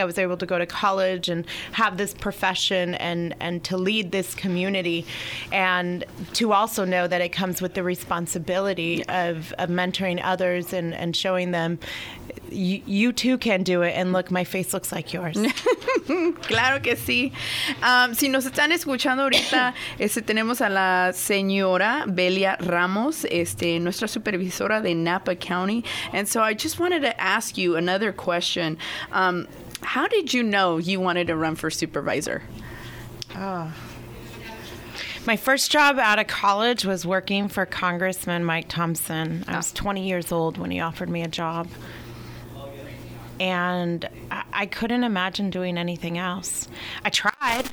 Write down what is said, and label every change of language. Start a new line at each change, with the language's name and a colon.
English: I was able to go to college and have this profession and to lead this community, and to also know that it comes with the responsibility of mentoring others and showing them you too can do it, and look, my face looks like yours.
Spanish: Claro que sí. Si nos están escuchando ahorita, tenemos a la señora Belia Ramos, nuestra supervisora de Napa County.
English: And so I just wanted to ask you another question. How did you know you wanted to run for supervisor? My first job out of college was working for Congressman Mike Thompson. I was 20 years old when he offered me a job. And I couldn't imagine doing anything else. I tried.